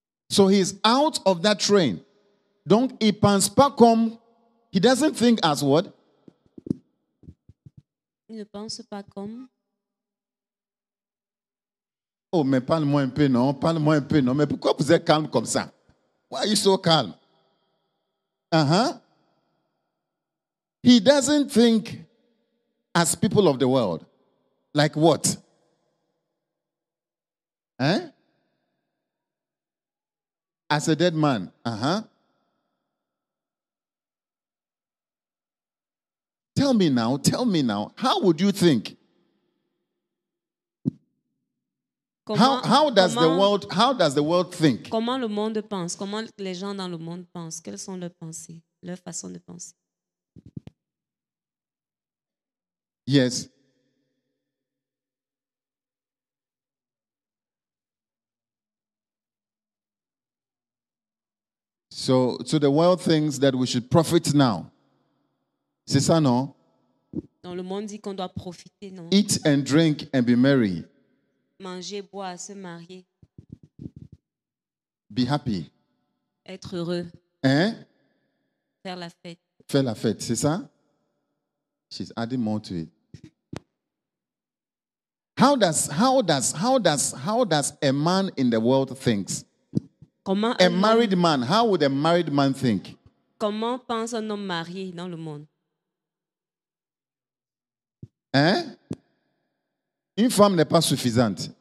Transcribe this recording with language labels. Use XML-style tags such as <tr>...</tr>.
<en>So he's out of that train.</en> <fr>Donc, il ne pense pas comme...</fr> <en>He doesn't think as what?</en> <fr>Il ne pense pas comme... Oh, mais parle-moi un peu, non? Parle-moi un peu, non? Mais pourquoi vous êtes calme comme ça?</fr> <en>Why are you so calm? He doesn't think as people of the world. Like what? As a dead man. Tell me now. How would you think? How does the world think?</en> <fr>Comment le monde pense? Comment les gens dans le monde pensent? Quelles sont leurs pensées? Leur façon de penser?</fr> <en>Yes. So the world thinks that we should profit now.</en> <fr>C'est ça, non? Dans le monde dit qu'on doit profiter, non?</fr> <en>Eat and drink and be merry.</en> <fr>Manger, boire, se marier.</fr> <en>Be happy.</en> <fr>Être heureux. Faire la fête. Faire la fête, c'est ça?</fr> <en>She's adding more to it. How does a man in the world think? How would a married man think?</en> <fr>Comment pense un homme marié dans le monde? Une femme n'est pas suffisante.</fr>